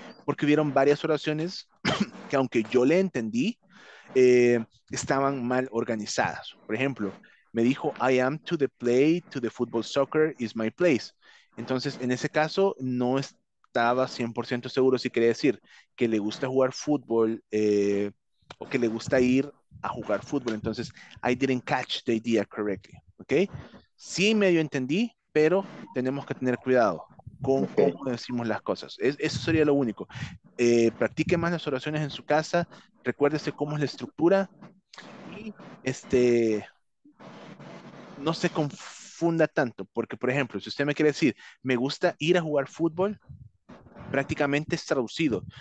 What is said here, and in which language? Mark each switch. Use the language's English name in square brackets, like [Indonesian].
[Spanish] Porque hubieron varias oraciones que aunque yo le entendí, estaban mal organizadas. Por ejemplo, me dijo, [English] I am to the play, to the football soccer is my place. [Spanish] Entonces, en ese caso, no estaba 100% seguro si quería decir que le gusta jugar fútbol o que le gusta ir a jugar fútbol. [English] Entonces, I didn't catch the idea correctly, okay? [Spanish] Sí, medio entendí, pero tenemos que tener cuidado con cómo decimos las cosas. Eso sería lo único. Practique más las oraciones en su casa, recuérdese cómo es la estructura y no se confunda tanto, porque por ejemplo, si usted me quiere decir, me gusta ir a jugar fútbol, prácticamente es traducido.